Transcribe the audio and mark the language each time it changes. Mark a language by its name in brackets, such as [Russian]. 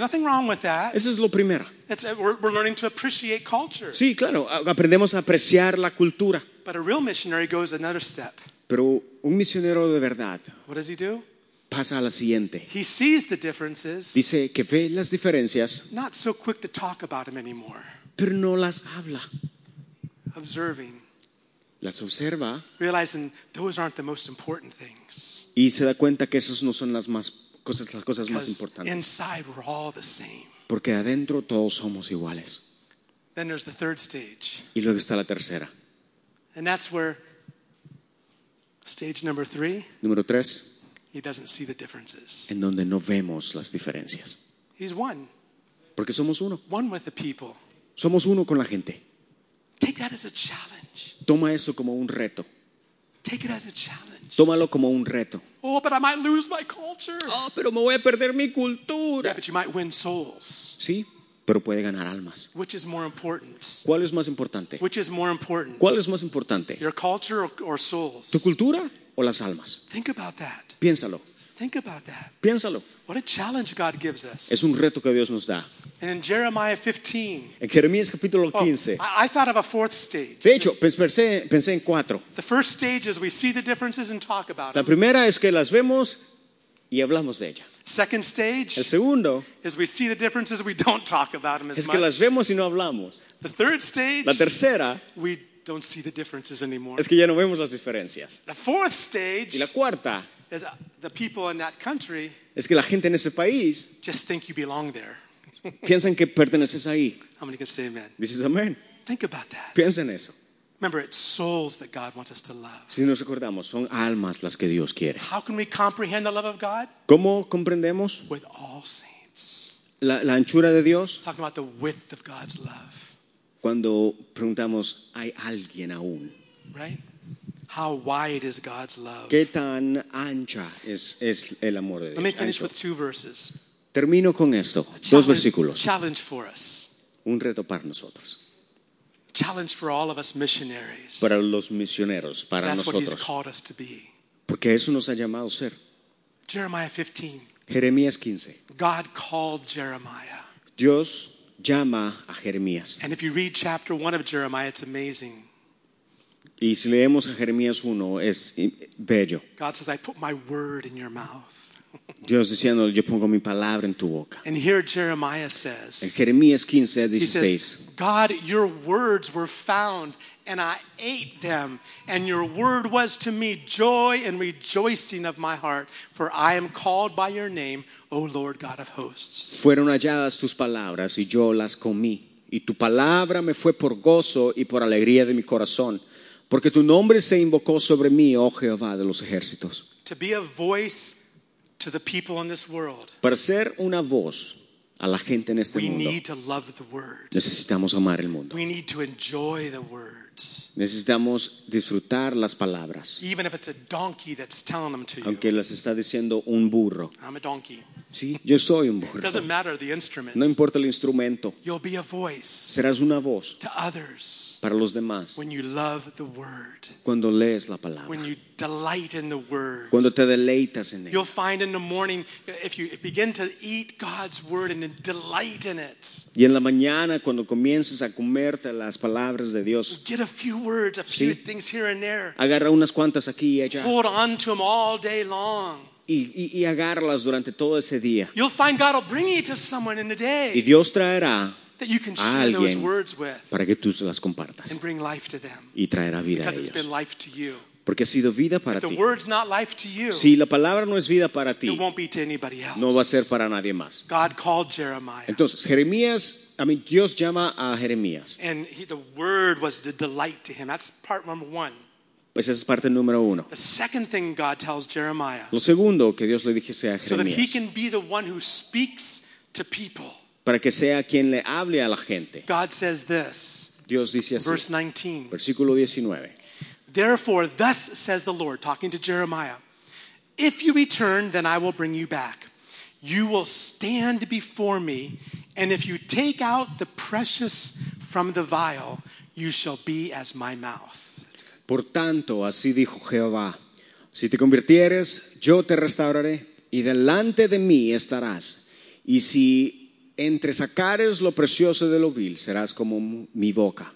[English] Nothing wrong with that. [Spanish] Esa es lo primero. [English] We're learning to appreciate culture. [Spanish] Sí, claro. Aprendemos a apreciar la cultura. [English] But a real missionary goes another step. [Spanish] Pero un misionero de verdad. [English] What does he do? [Spanish] Pasa a la siguiente. [English] He sees the differences. [Spanish] Dice que ve las diferencias. [English] Not so quick to talk about them anymore. [Spanish] Pero no las habla. [English] Observing. [Spanish] Las observa. [English] Realizing those aren't the most important things. [Spanish] Y se da cuenta que esos no son las más cosas, las cosas más importantes. [English] Inside we're all the same. [Spanish] Porque adentro todos somos iguales. [English] Then there's the third stage. [Spanish] Y luego está la tercera. [English] And that's where stage number three. [Spanish] Número tres. [English] He doesn't see the differences. [Spanish] En donde no vemos las diferencias. [English] He's one. [Spanish] Porque somos uno. [English] One with the people. [Spanish] Somos uno con la gente. [English] Take that as a challenge. [Spanish] Toma eso como un reto. [English] Take it as a challenge. [Spanish] Tómalo como un reto. [English] Oh, but I might lose my culture. [Spanish] Oh, pero me voy a perder mi cultura. [English] Yeah, but you might win souls. [Spanish] Sí, pero puede ganar almas. [English] Which is more important? [Spanish] ¿Cuál es más importante? [English] Which is more important? [Spanish] ¿Cuál es más importante? [English] Your culture or souls? [Spanish] ¿Tu cultura o las almas? [English] Think about that. [Spanish] Piénsalo. [English] Think about that. [Spanish] Piénsalo. [English] What a challenge God gives us. [Spanish] Es un reto que Dios nos da. [English] And in Jeremiah 15. [Spanish] En Jeremías capítulo 15. [English] Oh, I thought of a fourth stage. [Spanish] De hecho, pensé en cuatro. [English] The first stage is we see the differences and talk about them. [Spanish] La primera es que las vemos y hablamos de ella. [English] Second stage. [Spanish] El segundo. [English] Is we see the differences we don't talk about them as much. [Spanish] Es que las vemos y no hablamos. [English] The third stage. [Spanish] La tercera. [English] We don't see the differences anymore. [Spanish] Es que ya no vemos las diferencias. [English] The fourth stage. [Spanish] Y la cuarta. [English] Is the people in that country? [Spanish] Es que la gente en ese país [English] just think you belong there. [Spanish] Piensan que perteneces ahí. [English] How many can say amen? This is amen. Think about that. [Spanish] Piensa en eso. [English] Remember, it's souls that God wants us to love. [Spanish] Si nos recordamos, son almas las que Dios quiere. [English] How can we comprehend the love of God? [Spanish] ¿Cómo comprendemos? [English] With all saints. [Spanish] La anchura de Dios. [English] Talking about the width of God's love. [Spanish] Cuando preguntamos, ¿hay alguien aún? [English] Right. How wide is God's love? [Spanish] ¿Qué tan ancha es el amor de Dios? [English] Let me finish with two verses. [Spanish] Termino con esto, dos versículos. [English] Challenge for us. [Spanish] Un reto para nosotros. [English] Challenge for all of us missionaries. [Spanish] Para los misioneros, para [English] that's [Spanish] nosotros. [English] What he's called us to be. [Spanish] Porque eso nos ha llamado a ser. [English] Jeremiah 15. [Spanish] Jeremías 15. [English] God called Jeremiah. [Spanish] Dios llama a Jeremías. [English] And if you read chapter 1 of Jeremiah, it's amazing. [Spanish] Y si leemos a Jeremías 1, es bello. [English] God says, I put my word in your mouth. [Spanish] Dios diciendo, yo pongo mi palabra en tu boca. [English] And here Jeremiah says, [Spanish] en Jeremías 15, 16, [English] says, God, your words were found, and I ate them. And your word was to me joy and rejoicing of my heart, for I am called by your name, O Lord God of hosts. [Spanish] Fueron halladas tus palabras, y yo las comí. Y tu palabra me fue por gozo y por alegría de mi corazón. Porque tu nombre se invocó sobre mí, oh Jehová de los ejércitos. [English] To be a voice to the people in this world. [Spanish] Para ser una voz a la gente en este [English] we [Spanish] mundo. [English] We need to love the word. [Spanish] Necesitamos amar el mundo. [English] We need to enjoy the words. [Spanish] Necesitamos disfrutar las palabras. [English] Even if it's a donkey that's telling them to you. [Spanish] Aunque las está diciendo un burro. [English] I'm a donkey. [Spanish] Sí, yo soy un burro. [English] It doesn't matter the instrument. [Spanish] No importa el instrumento. [English] You'll be a voice. [Spanish] Serás una voz. [English] To others. [Spanish] Para los demás. [English] When you love the word. [Spanish] Cuando lees la palabra. [English] When you delight in the word. [Spanish] Cuando te deleitas en él. [English] You'll find in the morning if you begin to eat God's word and delight in it. [Spanish] Y en la mañana cuando comiences a comerte las palabras de Dios. [English] Get a few words, a few things here and there. [Spanish] Agarra unas cuantas aquí y allá. [English] Hold on to them all day long. [Spanish] Y agarrarlas durante todo ese día. [English] You'll find God will bring you to someone in the day. [Spanish] Y Dios traerá [English] that you can share those words with. [Spanish] Para que tú se las compartas. [English] And bring life to them. [Spanish] Y traerá vida [English] because [Spanish] a ellos. [English] It's been life to you. [Spanish] Porque ha sido vida para [English] if the [Spanish] ti. [English] Word's not life to you. [Spanish] Si la palabra no es vida para ti. [English] It won't be to anybody else. [Spanish] No va a ser para nadie más. [English] God called Jeremiah. [Spanish] Entonces, Jeremías, I mean, Dios llama a Jeremías. [English] And the word was the delight to him. That's part number one. [Spanish] Pues esa es parte número uno. [English] The second thing God tells Jeremiah. [Spanish] Lo segundo que Dios le dijese a Jeremías. [English] So that he can be the one who speaks to people. [Spanish] Para que sea quien le hable a la gente. [English] God says this. [Spanish] Dios dice así. [English] Verse 19. [Spanish] Versículo 19. [English] Therefore, thus says the Lord, talking to Jeremiah, if you return, then I will bring you back. You will stand before me, and if you take out the precious from the vial, you shall be as my mouth. [Spanish] Por tanto, así dijo Jehová, si te convirtieres, yo te restauraré, y delante de mí estarás. Y si entre sacares lo precioso de lo vil, serás como mi boca.